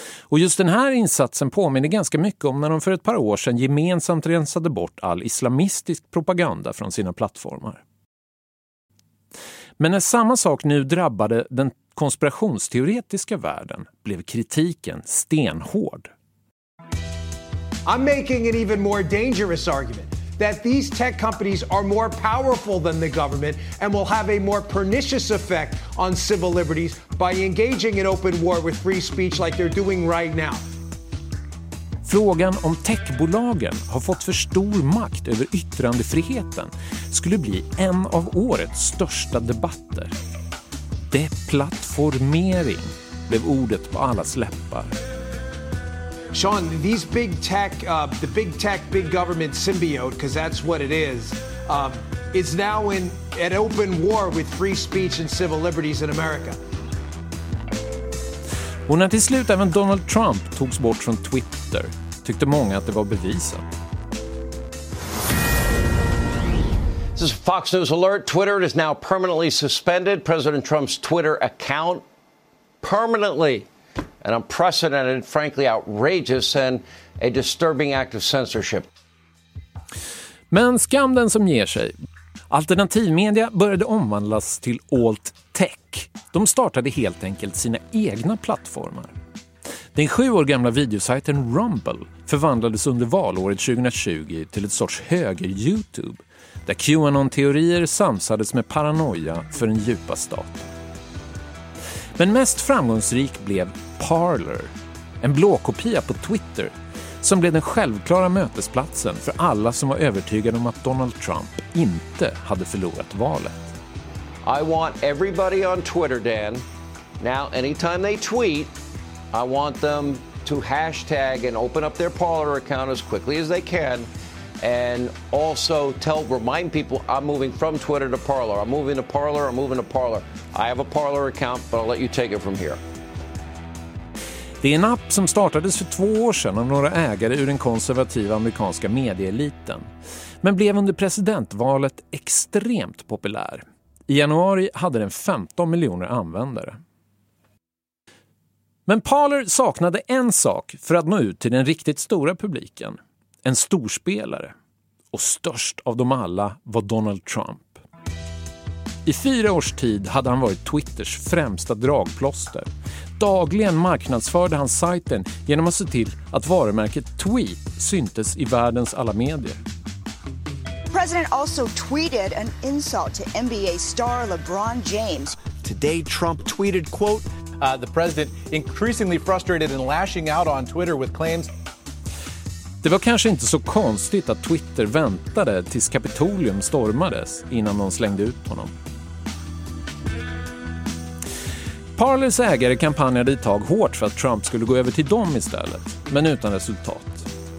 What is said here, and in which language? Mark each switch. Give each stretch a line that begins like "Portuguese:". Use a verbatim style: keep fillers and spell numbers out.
Swedish: Och just den här insatsen påminner ganska mycket om när de för ett par år sedan gemensamt rensade bort all islamistisk propaganda från sina plattformar. Men när samma sak nu drabbade den konspirationsteoretiska världen blev kritiken stenhård.
English: I'm making an even more dangerous argument. That these tech companies are more powerful than the government and will have a more pernicious effect on civil liberties by engaging in open war with free speech like they're doing right now.
Swedish: Frågan om techbolagen har fått för stor makt över yttrandefriheten skulle bli en av årets största debatter. Deplattformering blev ordet på allas läppar.
English: Sean, these big tech, uh, the big tech, big government symbiote, because that's what it is, uh, is now in an open war with free speech and civil liberties in America.
Swedish: Och när till slut även Donald Trump togs bort från Twitter tyckte många att det var bevisat.
English: This is Fox News Alert. Twitter is now permanently suspended. President Trump's Twitter account permanently. An unprecedented, frankly outrageous and a disturbing act of censorship.
Swedish: Men skam den som ger sig. Alternativmedia började omvandlas till alt tech. De startade helt enkelt sina egna plattformar. Den sju år gamla videosajten Rumble förvandlades under valåret tjugohundratjugo till ett sorts höger-YouTube där QAnon-teorier samsades med paranoia för en djupa stat. Men mest framgångsrik blev Parler, en blåkopia på Twitter som blev den självklara mötesplatsen för alla som var övertygade om att Donald Trump inte hade förlorat valet.
English: I want everybody on Twitter, Dan. Now anytime they tweet, I want them to hashtag and open up their Parler account as quickly as they can, and also tell, remind people I'm moving from Twitter to Parler. I'm moving to Parler, I'm moving to Parler. I have a Parler account, but I'll let you take it from here.
Swedish: Det är en app som startades för två år sedan av några ägare ur den konservativa amerikanska medieeliten, men blev under presidentvalet extremt populär. I januari hade den femton miljoner användare. Men Parler saknade en sak för att nå ut till den riktigt stora publiken. En storspelare. Och störst av dem alla var Donald Trump. I fyra års tid hade han varit Twitters främsta dragplåster. Dagligen marknadsförde han sajten genom att se till att varumärket Tweet syntes i världens alla medier.
English: President also tweeted an insult to N B A star LeBron James. Today Trump tweeted, quote, uh, the president increasingly frustrated and lashing out on Twitter with claims.
Swedish: Det var kanske inte så konstigt att Twitter väntade tills Kapitolium stormades innan de slängde ut honom. Parlers ägare kampanjade i tag hårt för att Trump skulle gå över till dem istället, men utan resultat.